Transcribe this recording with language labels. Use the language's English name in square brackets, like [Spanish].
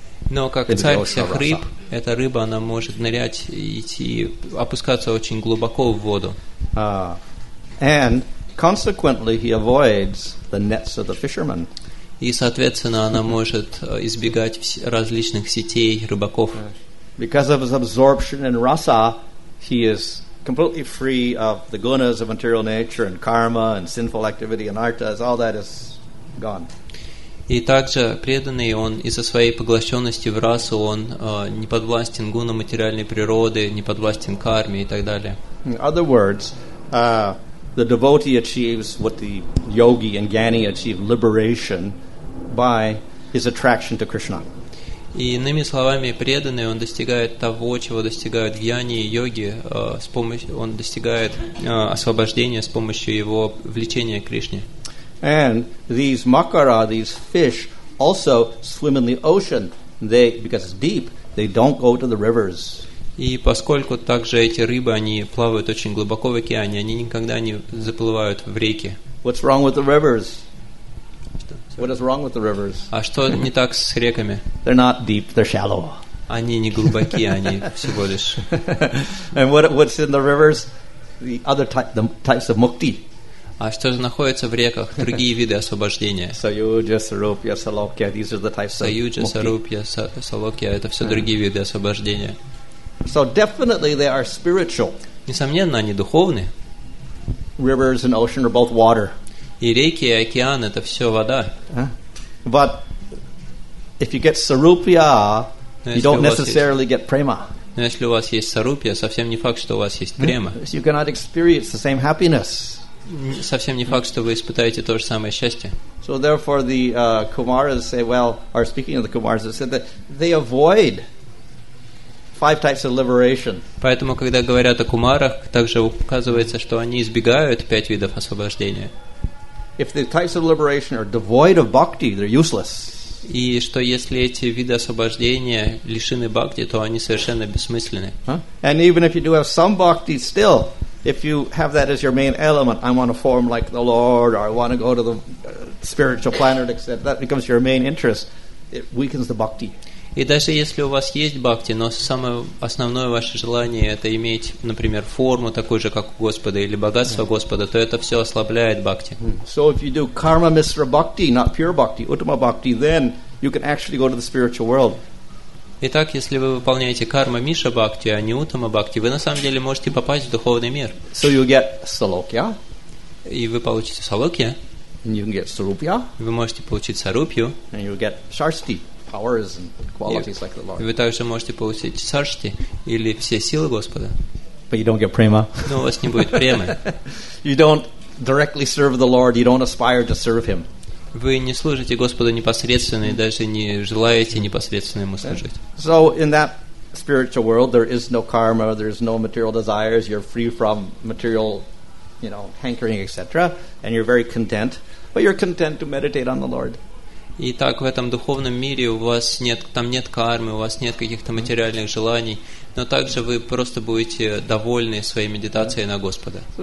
[Russian] Но как царь всех рыб, эта рыба, она может нырять и идти, опускаться очень глубоко в воду. [English] And consequently, he avoids the nets of the fishermen. [Russian] И, соответственно, она может избегать различных сетей рыбаков. [English] Because of his absorption in rasa, he is completely free of the gunas of material nature and karma and sinful activity and artas. All that is gone. [Russian] И также преданный он из-за своей поглощенности в расу он не подвластен гунам материальной природы, не подвластен карме и так далее. [English] In other words, the devotee achieves what the yogi and jnani achieve, liberation by his attraction to Krishna. [Russian] И иными словами, преданный он достигает того, чего достигают гьяни и йоги, с помощью он достигает освобождения с помощью его влечения к Кришне. [English] And these makara, these fish, also swim in the ocean. They, because it's deep, they don't go to the rivers. [Russian] И поскольку также эти рыбы, они плавают очень глубоко в океане, они никогда не заплывают в реки. [English] What's wrong with the rivers? What is wrong with the rivers? [Russian] А что не так с реками? [English] They're not deep, they're shallow. [Russian] Они не глубокие, они всего лишь. [English] And what's in the rivers? The other type, the types of mukti. [Russian] А что же находится в реках? Другие виды освобождения. Саюджа, сарупья, салокья. [English] These are the types of mukti. [Russian] Саюджа, сарупья, салокья. Это все другие виды освобождения. [English] So definitely they are spiritual. [Russian] Несомненно, они духовны. [English] Rivers and ocean are both water. [Russian] И реки, и океан — это все вода. [English] But if you get sarupya, you don't necessarily get prema. [Russian] Но если у вас есть сарупья, совсем не факт, что у вас есть према. [English] You cannot experience the same happiness. [Russian] Совсем не факт, что вы испытаете то же самое счастье. [English] So therefore the kumaras say, well, or speaking of the kumaras, they said that they avoid five types of liberation. [Russian] Поэтому, когда говорят о кумарах, также указывается, что они избегают пять видов освобождения. [English] If the types of liberation are devoid of bhakti, they're useless. [Russian] И что если эти виды освобождения лишены бхакти, то они совершенно бессмысленны. [English] And even if you do have some bhakti, still, if you have that as your main element, I want to form like the Lord, or I want to go to the spiritual planet, etc., that becomes your main interest, it weakens the bhakti. [Russian] И даже если у вас есть бхакти, но самое основное ваше желание это иметь, например, форму такую же, как у Господа, или богатство Господа, то это все ослабляет бхакти. [English] So if you do karma misra bhakti, not pure bhakti, uttama bhakti, then you can actually go to the spiritual world. [Russian] Итак, если вы выполняете карма миша бхакти, а не уттама бхакти, вы на самом деле можете попасть в духовный мир. [English] So you get салокья. [Russian] И вы получите салокья. [English] And you can get сарупья. [Russian] Вы можете получить сарупью. [English] And you get шарсти. Powers and qualities like the Lord. [Russian] Вы также можете получить царшти или все силы Господа. [English] But you don't get prema. [Russian] Но у вас не будет премы. [English] You don't directly serve the Lord. You don't aspire to serve Him. [Russian] Вы не служите Господу непосредственно и даже не желаете непосредственно Ему служить. [English] So in that spiritual world, there is no karma, there is no material desires. You're free from material, you know, hankering, etc., and you're very content. But you're content to meditate on the Lord. [Russian] Итак, в этом духовном мире у вас нет, там нет кармы, у вас нет каких-то материальных желаний, но также вы просто будете довольны своей медитацией на Господа.